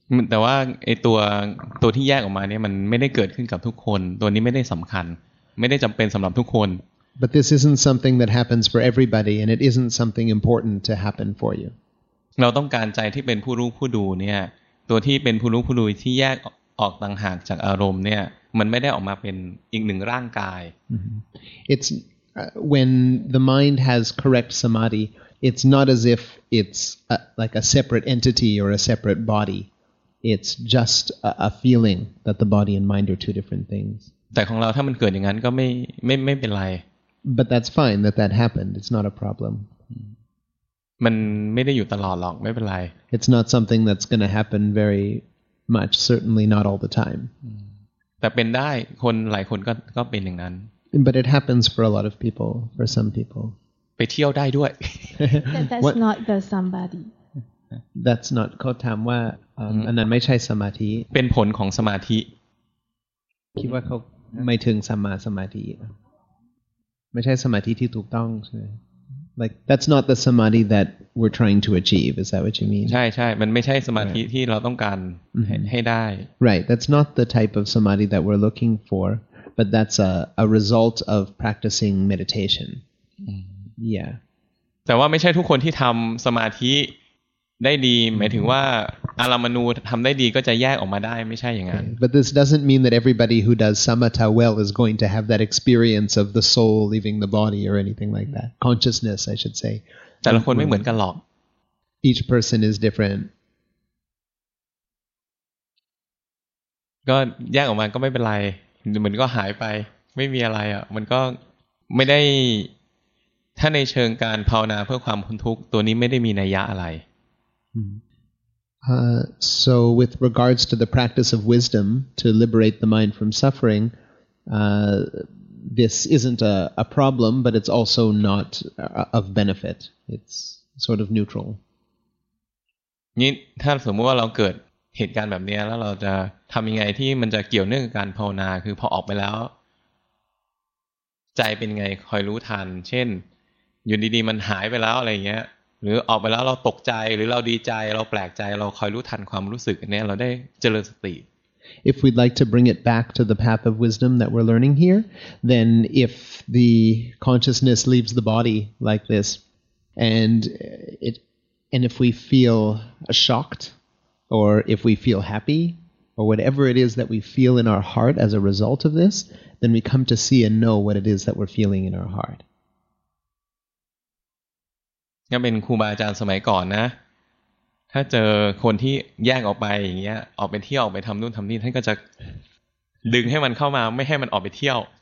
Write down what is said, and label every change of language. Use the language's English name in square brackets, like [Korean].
[Thai] แต่ว่าไอ้ตัวที่แยกออกมาเนี่ยมันไม่ได้เกิดขึ้นกับทุกคนตัวนี้ไม่ได้สำคัญไม่ได้จำเป็นสำหรับทุกคน [English] But this isn't something that happens for everybody, and it isn't something important to happen for you. [Thai] เราต้องการใจที่เป็นผู้รู้ผู้ดูเนี่ยตัวที่เป็นผู้รู้ผู้ดูที่แยกออกต่างหากจากอารมณ์เนี่ยมันไม่ได้ออกมาเป็นอีกหนึ่งร่างกาย [English] It's when the mind has correct samadhi, it's not as if it's like a separate entity or a separate body. It's just a feeling that the body and mind are two different things. [Thai] แต่ของเราถ้ามันเกิดอย่างนั้นก็ไม่เป็นไร [English] But that's fine that happened. It's not a problem. [Thai] มันไม่ได้อยู่ตลอดหรอกไม่เป็นไร [English] It's not something that's going to happen very much. Certainly not all the time. [Thai] แต่เป็นได้คนหลายคนก็เป็นอย่างนั้น [English] But it happens for a lot of people. For some people. [Thai] ไปเที่ยวได้ด้วย [English] That's not the somebody. That's not. [Thai] เขาถามว่าอันนั้นไม่ใช่สมาธิ เป็นผลของสมาธิ คิดว่าเขาไม่ถึงสมาธิไม่ใช่สมาธิที่ถูกต้องใช่ไหม [English] Like that's not the samadhi that we're trying to achieve. Is that what you mean? [Thai] ใช่ใช่มันไม่ใช่สมาธิที่เราต้องการให้ได้ [English] Right. That's not the type of samadhi that we're looking for. But that's a result of practicing meditation. Yeah. [Thai] แต่ว่าไม่ใช่ทุกคนที่ทำสมาธิได้ดีหมายถึงว่าอารัมมณูทำได้ดีก็จะแยกออกมาได้ไม่ใช่อย่างนั้น [English] But this doesn't mean that everybody who does samatha well is going to have that experience of the soul leaving the body or anything like that. Consciousness, I should say. [Thai] แต่ละคนไม่เหมือนกันหรอก [English] Each person is different. [Thai] ก็แยกออกมาก็ไม่เป็นไรเหมือนก็หายไปไม่มีอะไรอ่ะมันก็ไม่ได้ถ้าในเชิงการภาวนาเพื่อความพ้นทุกข์ตัวนี้ไม่ได้มีนัยยะอะไร [English] So with regards to the practice of wisdom to liberate the mind from suffering, this isn't a problem, but it's also not of benefit. It's sort of neutral. [Thai] นี่ถ้าสมมติว่าเราเกิดเหตุการณ์แบบนี้แล้วเราจะทำยังไงที่มันจะเกี่ยวเนื่องกับการภาวนาคือพอออกไปแล้วใจเป็นไงคอยรู้ทันเช่นอยู่ดีๆมันหายไปแล้วอะไรเงี้ยหรือออกไปแล้วเราตกใจหรือเราดีใจเราแปลกใจเราคอยรู้ทันความรู้สึกเนี่ยเราได้เจริญสติ [English] If we'd like to bring it back to the path of wisdom that we're learning here, then if the consciousness leaves the body like this, and if we feel shocked, or if we feel happy, or whatever it is that we feel in our heart as a result of this, then we come to see and know what it is that we're feeling in our heart. [Thai] ก็เป็นครูบาอาจารย์สมัยก่อนนะถ้าเจอคนที่แยกออกไปอย่างเงี้ยออกไปเที่ยวออกไปทำนู่นทำนี่ท่านก็จะดึงให้มันเข้ามาไม่ให้มันออกไปเที่ยว